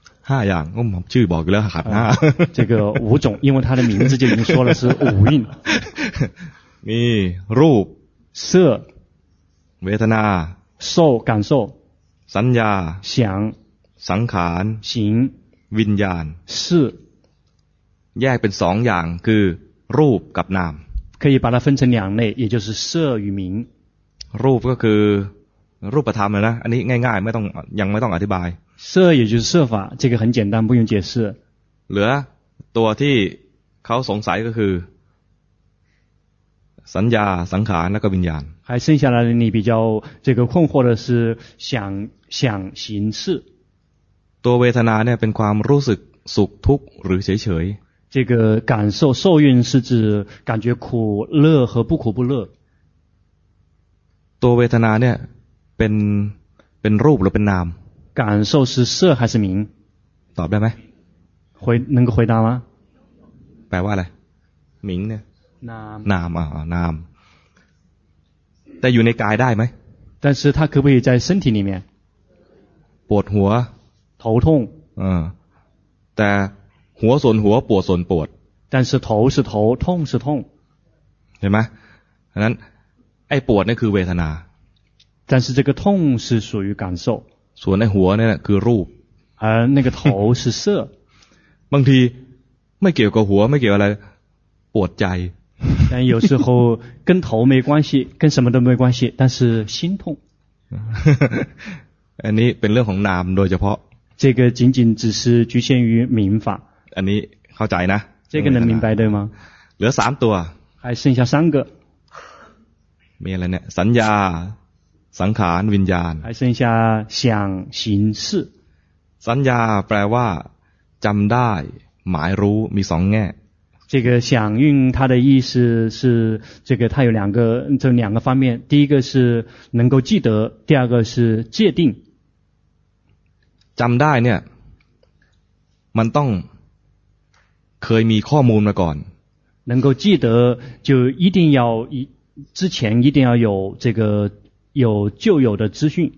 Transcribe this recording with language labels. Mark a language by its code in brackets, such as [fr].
[th] ห้าอย่างผมชื่อบอกแล้วขันห้า [zh] 这个五种因为它的名字就已经说了是五蕴 [th] มีรูป [zh] 色 [th] เวทนา [zh] 受感受 [th] สัญญา [zh] 想 [th] สังขาร [zh] 行 [th] วิญญาณ [zh] 是 [th] แยกเป็นสองอย่างคือรูปกับนาม [zh] 可以把它分成两类，也就是色与名。 [th] รูปก็คือรูปธรรมนะอันนี้ง่ายๆไม่ต้องยังไม่ต้องอธิบาย [zh] 色也就是色法这个很简单不用解释 [th] เหลือตัวที่เขาสงสัยก็คือสัญญาสังขารและก็วิญญาณ [zh] 还剩下来你比较这个困惑的是想行识 [th] ตัวเวทนาเนี่ยเป็นความรู้สึกสุขทุกข์หรือเฉยๆ [zh] 这个感受受蕴是指感觉苦乐和不苦不乐。 [th] ตัวเวทนาเนี่ยเป็นรูปหรือเป็นนาม [zh] 感受是色还是名 [th] ตอบได้ไหม [zh] 回能够回答吗 [th] แปลว่าอะไร名เนี่ย นาม นามนามแต่อยู่ในกายได้ไหม [zh] 但是它可不可以在身体里面 [th] ปวดหัว [zh] 头痛 [th] แต่หัวส่วนหัวปวดส่วนปวด [zh] 但是头是头痛是痛 [th] เห็นไหมนั้นไอ้ปวดนี่คือเวทนา [zh] 但是这个痛是属于感受 [th] ส่วนไอ้หัวนี่คือรูป [zh] 而那个头是色 [th] บางทีไม่เกี่ยวกับหัวไม่เกี่ยวอะไรปวดใจ [zh] 但有时候跟头没关系跟什么都没关系但是心痛 [th] อันนี้เป็นเรื่องของนามโดยเฉพาะ [zh] 这个仅仅只是局限于名法 [th] อันนี้เข้าใจนะ [zh] 这个能明白对吗 [th] เหลือ3ตัว [zh] 还剩下3个 [th] มีอะไรเนี่ยสัญญาสังขารวิญญาณ [zh] 还剩下想行识 [th] สัญญาแปลว่าจำได้หมายรู้มี2แง่ [zh] 这个想蕴它的意思是这个它有两个这两个方面第一个是能够记得第二个是界定 [th] จำได้เนี่ยมันต้องเคยมีข้อมูลมาก่อน [zh] 能够记得就一定要之前一定要有这个有旧有的资讯